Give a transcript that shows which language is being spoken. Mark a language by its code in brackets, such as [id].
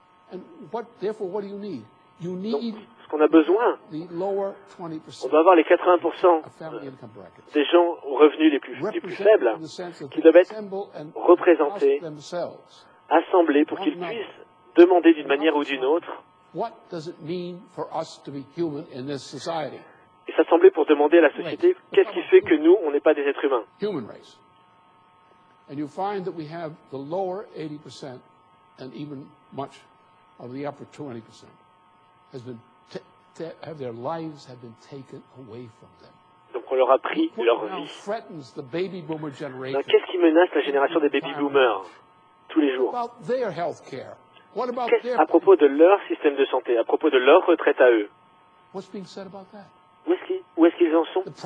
[fr] Donc, ce qu'on a besoin, on doit avoir les 80% des gens aux revenus les plus faibles qui doivent être représentés, assemblés pour qu'ils puissent demander d'une manière ou d'une autre. [en] What does it mean for us to be human in this society? [fr] Et ça semblait pour demander à la société, qu'est-ce qui fait que nous, on n'est pas des êtres humains? [en] Human race. And you find that we have the lower 80% and even much of the upper 20% has been have their lives have been taken away from them. [fr] Donc on leur a pris leur vie. [en] Threatens the baby boomer generation. [fr] Alors, qu'est-ce qui menace la génération des baby boomers tous les jours? [en] About their health care. [fr] À propos de leur système de santé, à propos de leur retraite à eux. Où est-ce qu'ils en sont?